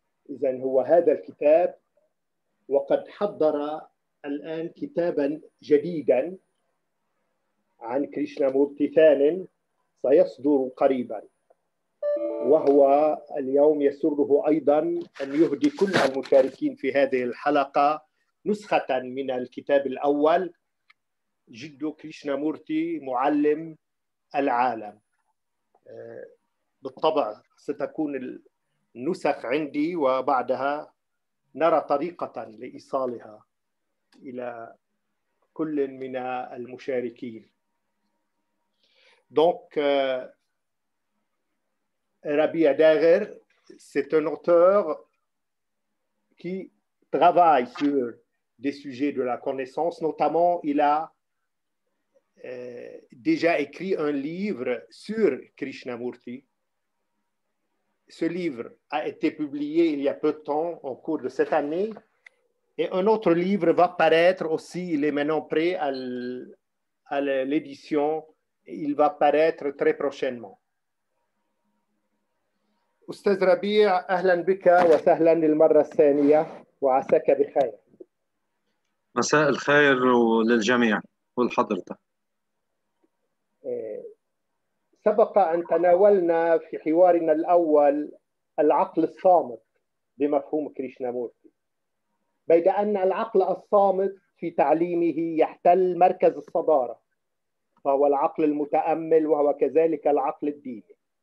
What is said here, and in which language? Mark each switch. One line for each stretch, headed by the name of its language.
Arabic: إذن هو هذا الكتاب، وقد حضر الآن كتابا جديدا عن كريشنامورتي ثان سيصدر قريبا، وهو اليوم يسره أيضا أن يهدي كل المشاركين في هذه الحلقة نسخة من الكتاب الأول، جد كريشنامورتي معلم العالم. بالطبع ستكون النسخ عندي، وبعدها نرى طريقة لإيصالها إلى كل من المشاركين.
French: Donc, Rabbi Daghir, c'est un auteur qui travaille sur des sujets de la connaissance. Notamment, il a déjà écrit un livre sur Krishnamurti. Ce livre a été publié il y a peu de temps, au cours de cette année. Et un autre livre va paraître aussi, il est maintenant prêt à l'édition. Il va paraître très prochainement.
Arabic: أستاذ ربيع، أهلا بك وسهلا للمرة الثانية، وعساك بخير. مساء الخير للجميع ولحضرتك. سبق أن تناولنا في حوارنا الأول العقل الصامت بمفهوم كريشنامورتي، بيد أن العقل الصامت في تعليمه يحتل مركز الصدارة، فهو العقل المتأمل وهو كذلك العقل الديني.